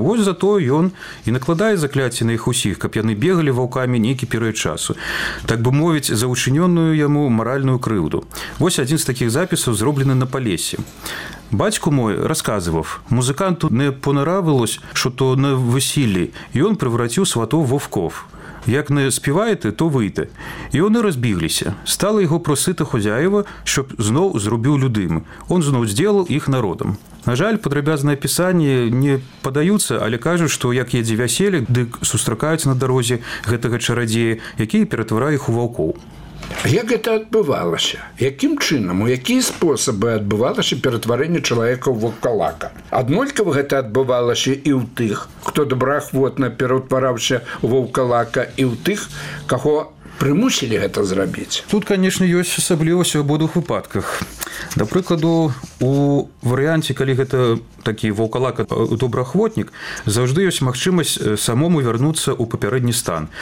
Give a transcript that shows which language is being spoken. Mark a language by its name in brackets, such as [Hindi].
[Belarusian] Вось зато ён і накладае закляцце на іх усіх, каб яны бегалі ваўкамі нейкі перыяд часу. Так бы мовіць, за ўчынённую яму маральную крыўду. Вось адзін з такіх запісаў зроблены на Палесі. [Ukrainian] Бацьку мой расказываў, музыканту не понаравилось, што то на весіллі, і ён прывратіў сватов вовков. Як не співаєте, то вийте. І вони розбігліся. Стали його просити хозяєва, щоб знов зробив людим. Он знов зробив їх народом. На жаль, подрабязне описання не подаються, але кажуть, що як їде вяселі, дык зустрікаються на дорозі гэтага чародія, який перетворює їх у ваўкоў. [Belarusian] Як гэта адбывалася? Яким чином, у які спосабы адбывалася ператварэнне чалавека ў ваўкалака? Аднолькава гэта адбывалася і ў тых, хто добраахвотна ператвараўся ў ваўкалака, і ў тых, каго прымусілі гэта зрабіць. Тут, канешне, ёсць асаблівасць у абодвух выпадках. Да прыкладу, у варыянце, калі гэта такі ваўкалак добраахвотнік, заўжды ёсць магчымасць самому вярнуцца ў папярэдні стан.